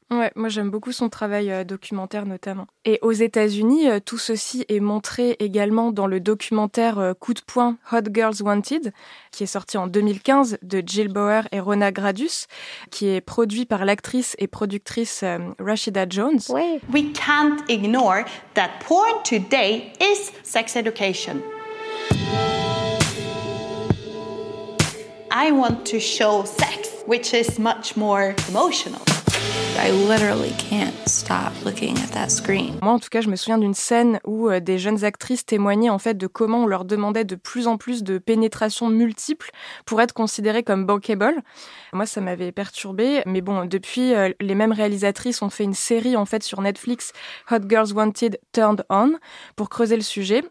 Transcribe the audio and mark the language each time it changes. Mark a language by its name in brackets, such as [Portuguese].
[French] Ouais, moi j'aime beaucoup son travail documentaire notamment. Et aux États-Unis, tout ceci est montré également dans le documentaire Coup de poing Hot Girls Wanted, qui est sorti en 2015 de Jill Bauer et Rona Gradus, qui est produit par l'actrice et productrice Rashida Jones. Oui. [English] We can't ignore that porn today is sex education. I want to show sex, which is much more emotional. I literally can't stop looking at that screen. [French] Moi, en tout cas, je me souviens d'une scène où des jeunes actrices témoignaient en fait de comment on leur demandait de plus en plus de pénétrations multiples pour être considérées comme bankable. Moi, ça m'avait perturbée. Mais bon, depuis, les mêmes réalisatrices ont fait une série en fait sur Netflix, Hot Girls Wanted Turned On, pour creuser le sujet.